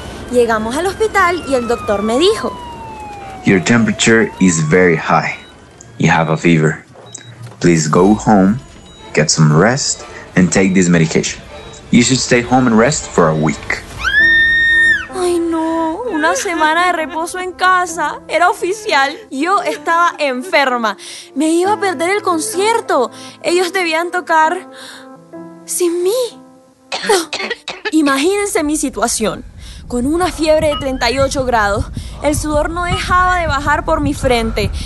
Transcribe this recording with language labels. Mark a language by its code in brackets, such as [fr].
[es] Llegamos al hospital y el doctor me dijo, [en] your temperature is very high. You have a fever. Please go home, get some rest, and take this medication. You should stay home and rest for a week. [es] Ay, no. no, una semana de reposo en casa, era oficial. Yo estaba enferma, me iba a perder el concierto. Ellos debían tocar sin mí. Imagínense mi situación. Con una fiebre de 38 grados, el sudor no dejaba de bajar por mi frente.